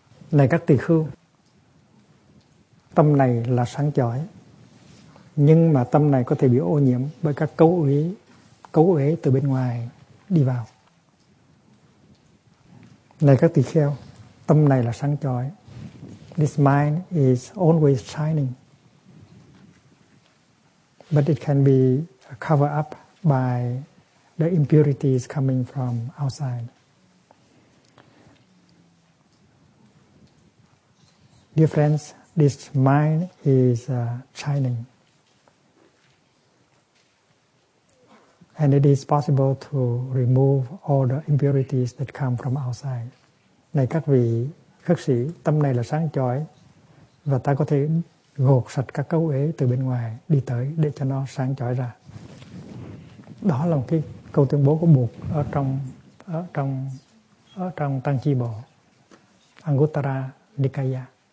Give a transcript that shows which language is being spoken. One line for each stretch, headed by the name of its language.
Vietnamese: Này các tỳ khưu, tâm này là sáng chói, nhưng mà tâm này có thể bị ô nhiễm bởi các cấu uế từ bên ngoài đi vào. Này các tỳ kheo, tâm này là sáng chói.
English: This mind is always shining, but it can be covered up by the impurities coming from outside. Dear friends, this mind is shining. And it is possible to remove all the impurities that come from outside.
Vietnamese: Này các vị khất sĩ, tâm này là sáng chói và ta có thể gột sạch các cấu uế từ bên ngoài đi tới để cho nó sáng chói ra. Đó là một cái câu tuyên bố của Bụt ở trong Tăng Chi Bộ Anguttara Nikaya.